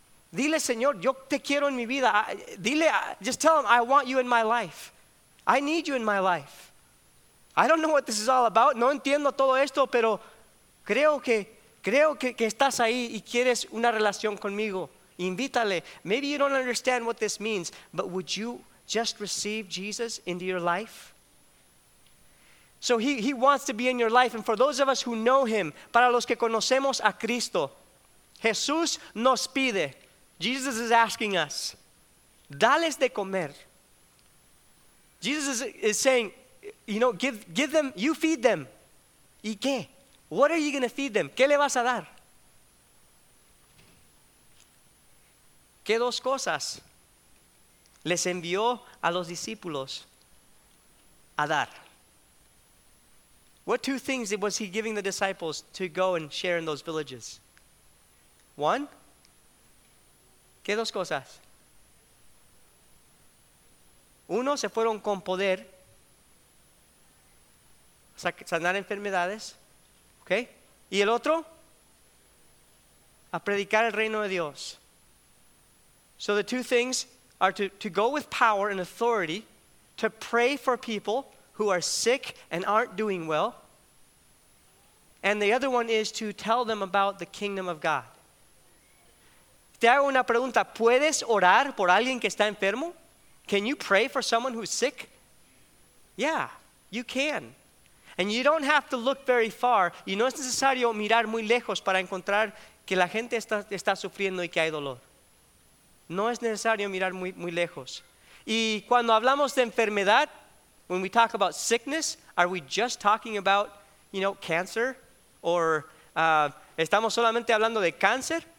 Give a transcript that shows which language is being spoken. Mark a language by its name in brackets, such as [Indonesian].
[Spanish] Dile, Señor, yo te quiero en mi vida. [English] Just tell Him, I want you in my life. I need you in my life. I don't know what this is all about. [Spanish] No entiendo todo esto, pero creo que estás ahí y quieres una relación conmigo. Invítale. [English] Maybe you don't understand what this means, but would you just receive Jesus into your life? So he wants to be in your life. And for those of us who know him, [Spanish] para los que conocemos a Cristo, Jesús nos pide. [English] Jesus is asking us, [Spanish] dales de comer. [English] Jesus is saying, you know, give them, you feed them. [Spanish] ¿Y qué? [English] What are you going to feed them? [Spanish] ¿Qué le vas a dar? ¿Qué dos cosas les envió a los discípulos a dar? [English] What two things was he giving the disciples to go and share in those villages? One, [Spanish] ¿qué dos cosas? Uno, se fueron con poder sanar enfermedades. Okay. ¿Y el otro? A predicar el reino de Dios. [English] So the two things are to go with power and authority to pray for people who are sick and aren't doing well. And the other one is to tell them about the kingdom of God. [Spanish] Te hago una pregunta. ¿Puedes orar por alguien que está enfermo? [English] Can you pray for someone who's sick? Yeah, you can. And you don't have to look very far. [Spanish] Y no es necesario mirar muy lejos para encontrar que la gente está sufriendo y que hay dolor. No es necesario mirar muy, muy lejos. Y cuando hablamos de enfermedad, [English] when we talk about sickness, are we just talking about, you know, cancer? [Spanish] Or estamos solamente hablando de cáncer?